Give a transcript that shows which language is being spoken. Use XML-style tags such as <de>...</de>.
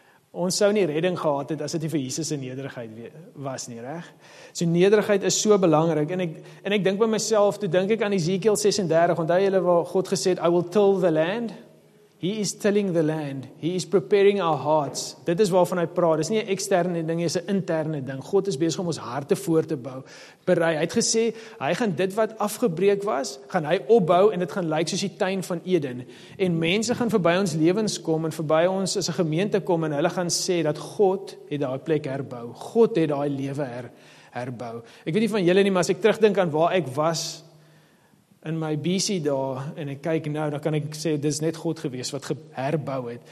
<af>Ons sou nie redding gehad het, as dit nie vir Jesus in nederigheid was nie, reg? So nederigheid is so belangrik, en ek dink by myself, toe dink ek aan Ezekiel 36, onthou julle waar God gesê het,</af> <en>I will till the land. He is tilling the land. He is preparing our hearts.</en> <af>Dit is waarvan hy praat. Dis nie 'n eksterne ding, dis 'n interne ding. God is besig om ons harte voor te bou. Berei. Hy het gesê, hy gaan dit wat afgebreek was, gaan hy opbou en dit gaan lyk soos die tuin van Eden. En mense gaan verby ons lewens kom en verby ons as 'n gemeente kom en hulle gaan sê dat God het daai plek herbou. God het daai lewe herbou. Ek weet nie van julle nie, maar as ek terugdink aan waar ek was, in my BC daar, en ek kyk nou, dan kan ek sê, dit is net God gewees wat herbou het.</af>